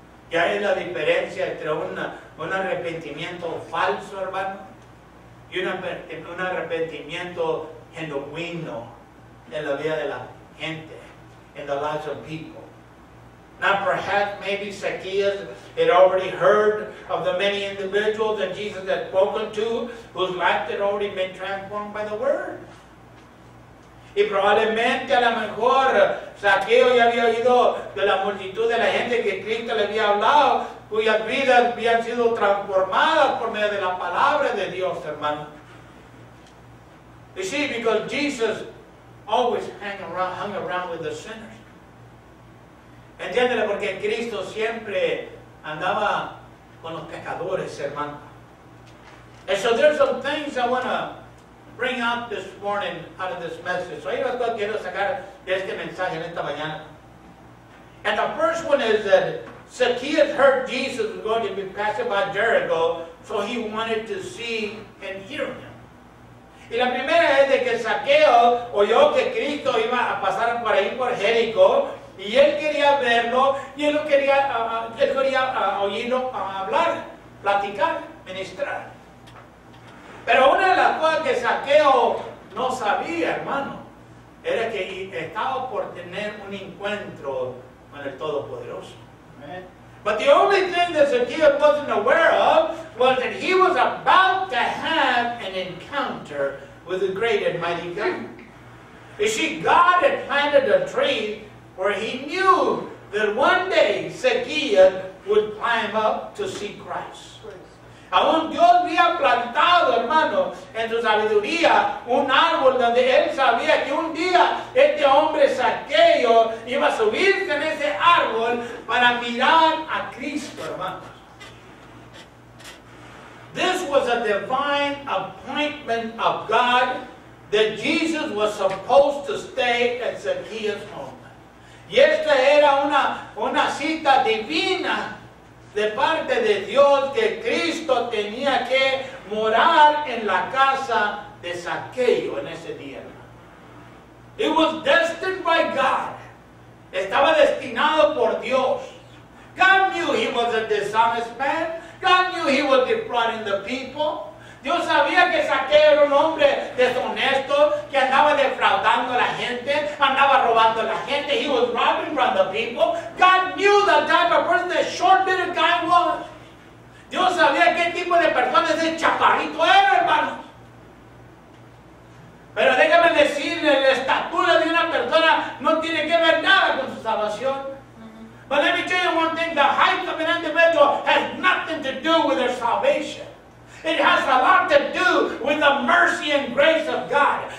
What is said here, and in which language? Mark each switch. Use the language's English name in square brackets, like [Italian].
[Spanish] Ya es la diferencia entre un arrepentimiento falso, hermano, y un arrepentimiento genuino en la vida de la gente, [English] in the lives of people. Now perhaps maybe Zacchaeus had already heard of the many individuals that Jesus had spoken to whose life had already been transformed by the word. [Spanish] Y probablemente a lo mejor Zacchaeus ya había oído de la multitud de la gente que Cristo le había hablado, cuyas vidas habían sido transformadas por medio de la palabra de Dios, hermano. [English] You see, because Jesus always hung around with the sinners. [Spanish] Entiéndelo, porque Cristo siempre andaba con los pecadores, hermano. [English] And so there's some things I want to bring out this morning out of this message. [Spanish] So yo quiero sacar de este mensaje en esta mañana. [English] And the first one is that Zacchaeus heard Jesus was going to be passing by Jericho, so he wanted to see and hear him. [Spanish] Y la primera es de que Zacchaeo oyó que Cristo iba a pasar por ahí por Jericó, y él quería verlo, y él quería oírlo hablar, platicar, ministrar. Pero una de las cosas que Zacchaeo no sabía, hermano, era que estaba por tener un encuentro con el Todopoderoso. [English] But the only thing that Zacchaeo wasn't aware of was that he was about to have an encounter with the great and mighty God. You see, God had planted a tree where he knew that one day Zacchaeo would climb up to see Christ. [Spanish] Aún Dios había plantado, hermano, en su sabiduría, un árbol donde él sabía que un día este hombre Zacchaeo iba a subirse en ese árbol para mirar a Cristo, hermano. [English] This was a divine appointment of God that Jesus was supposed to stay at Zacchaeus' home. [Spanish] Y esta era una cita divina de parte de Dios, que Cristo tenía que morar en la casa de Zacchaeo en ese día. [English] It was destined by God. [Spanish] Estaba destinado por Dios. [English] God knew he was a dishonest man. God knew he was defrauding the people. [Spanish] Dios sabía que Zacchaeo era un hombre deshonesto, que andaba defraudando a la gente, andaba robando a la gente. [English] He was robbing from the people. God knew the type of person that short-bitted guy was. [Spanish] Dios sabía qué tipo de persona ese chaparrito era, hermano. Pero déjame decirle, la estatura de una persona no tiene que ver nada con su salvación. [English] But let me tell you one thing, the height of an individual has nothing to do with their salvation. It has a lot to do with the mercy and grace of God.